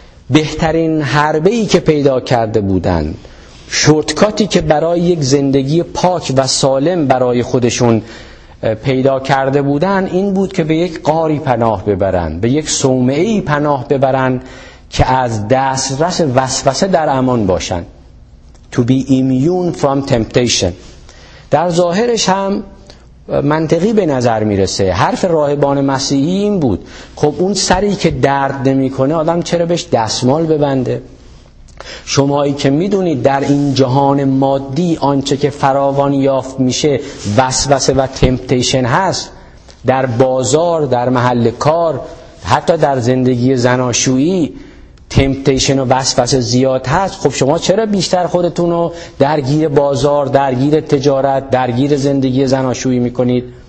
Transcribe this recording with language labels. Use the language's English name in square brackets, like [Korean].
[Persian] بهترین حربه‌ای که پیدا کرده بودند، شورتکاتی که برای یک زندگی پاک و سالم برای خودشون پیدا کرده بودند، این بود که به یک غاری پناه ببرن، به یک صومعه‌ای پناه ببرن که از دسترس وسوسه در امان باشن. [English] To be immune from temptation. [Persian] در ظاهرش هم منطقی به نظر میرسه. حرف راهبان مسیحی این بود، خب اون سری که درد نمی کنه آدم چرا بهش دستمال ببنده؟ شمایی که میدونید در این جهان مادی آنچه که فراوان یافت میشه وسوسه و تمپتیشن هست، در بازار، در محل کار، حتی در زندگی زناشویی تمپتیشن و وسوسه زیاد هست، خب شما چرا بیشتر خودتونو درگیر بازار، درگیر تجارت، درگیر زندگی زناشویی میکنید؟